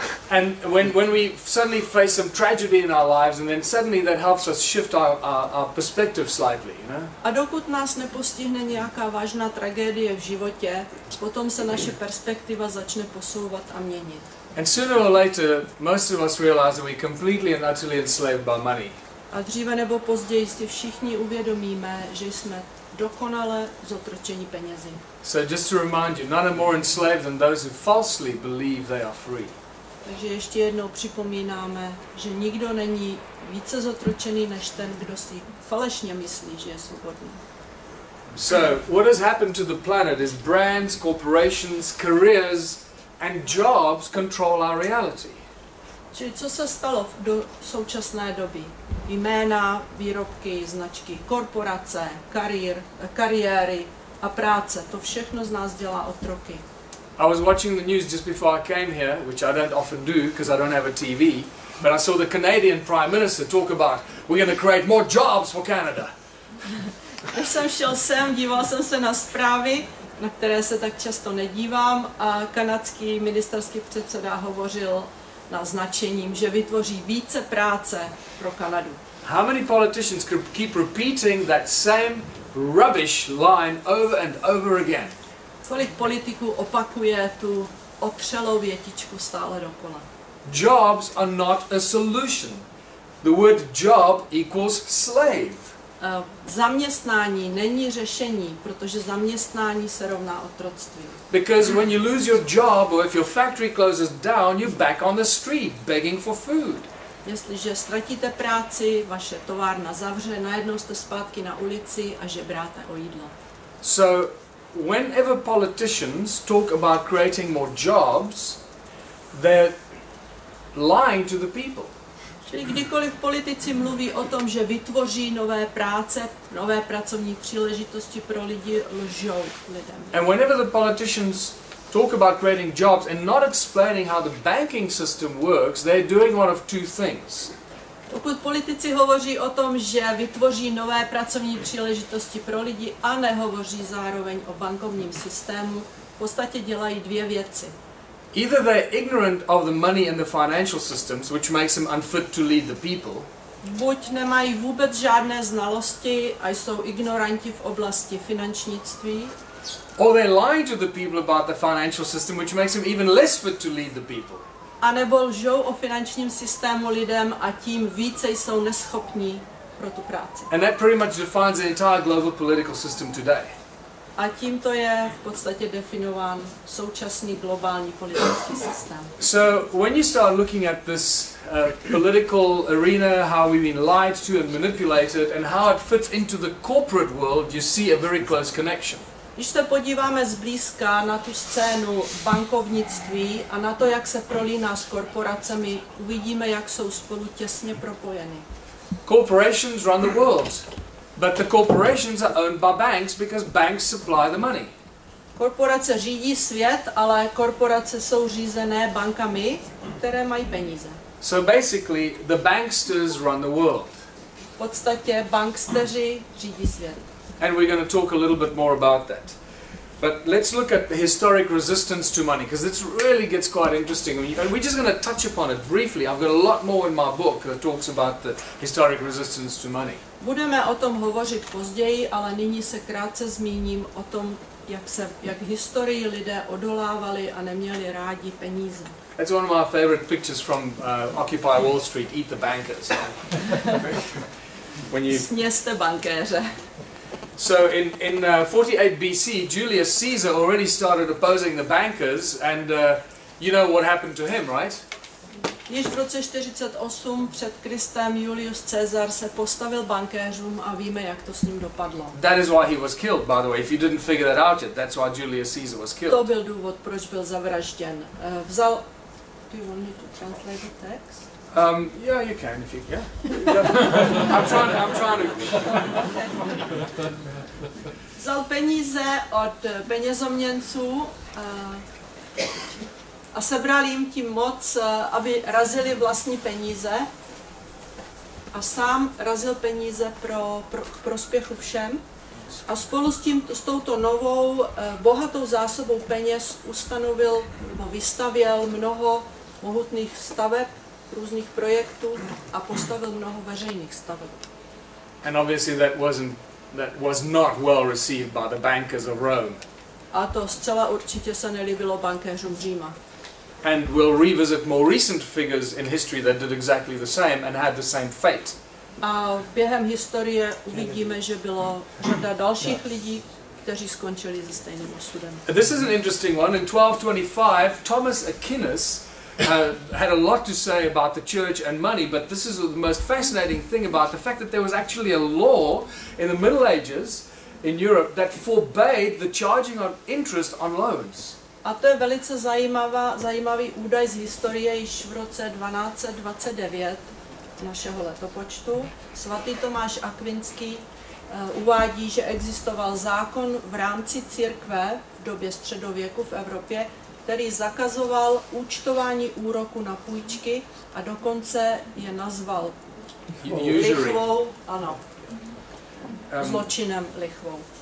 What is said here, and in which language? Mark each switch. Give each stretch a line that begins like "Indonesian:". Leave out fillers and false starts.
English: And when we suddenly face some tragedy in our lives, and then suddenly that helps us shift our perspective slightly, you know?
Czech: A dokud nás nepostihne nějaká vážná tragédie v životě, potom se naše perspektiva začne posouvat a měnit.
English: And sooner or later, most of us realize that we're completely and utterly enslaved by money.
Czech: A dříve nebo později si všichni uvědomíme, že jsme dokonale zotročení penězi.
English: So just to remind you, none are more enslaved than those who falsely believe they are free.
Czech: Takže ještě jednou připomínáme, že nikdo není více zotročený než ten, kdo si falešně myslí, že je svobodný.
English: So, what has happened to the planet is brands, corporations, careers And jobs control our reality.
Czech: Čili co se stalo do současné doby? Jména, výrobky, značky, korporace, kariéry a práce. To všechno z nás dělá otroky.
English: I was watching the news just before I came here, which I don't often do because I don't have a TV, but I saw the Canadian Prime Minister talk about we're going to create more jobs for Canada.
Czech: Když jsem šel sem, díval jsem se na zprávy, na které se tak často nedívám, a kanadský ministerský předseda hovořil na značením, že vytvoří více práce pro Kanadu.
English: How many politicians could keep repeating that same rubbish line over and over again?
Czech: Kolik politiků opakuje tu otřelou větičku stále dokola?
English: Jobs are not a solution. The word job equals slave.
Czech: Zaměstnání není řešení, protože zaměstnání se rovná otroctví.
English: Because when you lose your job or if your factory closes down, you're back on the street begging for food.
Czech: Jestliže ztratíte práci, vaše továrna zavře, najednou jste zpátky na ulici a žebráte o jídlo.
English: So whenever politicians talk about creating more jobs, they're lying to the people.
Czech: Čili kdykoliv politici mluví o tom, že vytvoří nové práce, nové pracovní příležitosti pro lidi, lžou lidem.
English: And whenever the politicians talk about creating jobs and not explaining how the banking system works, they're doing one of two things.
Czech: Pokud politici hovoří o tom, že vytvoří nové pracovní příležitosti pro lidi a nehovoří zároveň o bankovním systému, v podstatě dělají dvě věci.
English: Either they're ignorant of the money and the financial systems, which makes them unfit to lead the people.
Czech: Buď nemají vůbec žádné znalosti a jsou ignoranti v oblasti finančnictví.
English: Or they're lying to the people about the financial system, which makes them even less fit to lead the people.
Czech: A nebo lžou o finančním systému lidem a tím více jsou neschopní pro tu práci.
English: And that pretty much defines the entire global political system today.
Czech: A tímto je v podstatě definován současný globální politický systém.
English: So when you start looking at this political arena, how we've been lied to and manipulated, and how it fits into the corporate world, you see a very close connection.
Czech: Když se podíváme zblízka na tu scénu bankovnictví a na to, jak se prolíná s korporacemi, uvidíme, jak jsou spolu těsně propojeny.
English: Corporations run the world. But the corporations are owned by banks because banks supply the money.
Czech: Korporace řídí svět, ale korporace jsou řízené bankami, které mají peníze.
English: So basically, the banksters run the world.
Czech: V podstatě banksteři řídí svět.
English: And we're going to talk a little bit more about that. But let's look at the historic resistance to money, because it really gets quite interesting. And we're just going to touch upon it briefly. I've got a lot more in my book that talks about the historic resistance to money.
Czech: Budeme o tom hovořit později, ale nyní se krátce zmíním o tom, jak historii lidé odolávali a neměli rádi peníze.
English: That's one of my favorite pictures from Occupy Wall Street, Eat the Bankers.
Czech: Snězte bankéře.
English: So in 48 BC, Julius Caesar already started opposing the bankers, and you know what happened to him, right?
Czech: Již v roce 48 před Kristem Julius Caesar se postavil bankéřům a víme, jak to s ním dopadlo.
English: That is why he was killed, by the way. If you didn't figure that out yet, that's why Julius Caesar was killed.
Czech: To byl důvod, proč byl zavražděn.
English: Do you want me to translate the text? Yeah, you can if you yeah. I'm trying to.
Czech: Vzal peníze od penězoměnců a sebral jim tím moc, aby razili vlastní peníze a sám razil peníze k prospěchu všem a spolu s touto novou bohatou zásobou peněz ustanovil nebo vystavěl mnoho mohutných staveb, různých projektů a postavil mnoho veřejných staveb.
English: And obviously that was not well received by the bankers of Rome.
Czech: A to zcela určitě se nelíbilo bankéřům Říma.
English: And we'll revisit more recent figures in history that did exactly the same and had the same fate.
Czech: A během historie uvidíme, že bylo řada dalších lidí, kteří skončili se stejným osudem.
English: This is an interesting one. In 1225, Thomas Aquinas had a lot to say about the church and money, but this is the most fascinating thing about the fact that there was actually a law in the Middle Ages in Europe that forbade the charging of interest on loans.
Czech: A to je velice zajímavý údaj z historie, již v roce 1229 našeho letopočtu. Svatý Tomáš Akvinský uvádí, že existoval zákon v rámci církve v době středověku v Evropě, který zakazoval účtování úroku na půjčky a dokonce je nazval lichvou, ano, zločinem lichvou.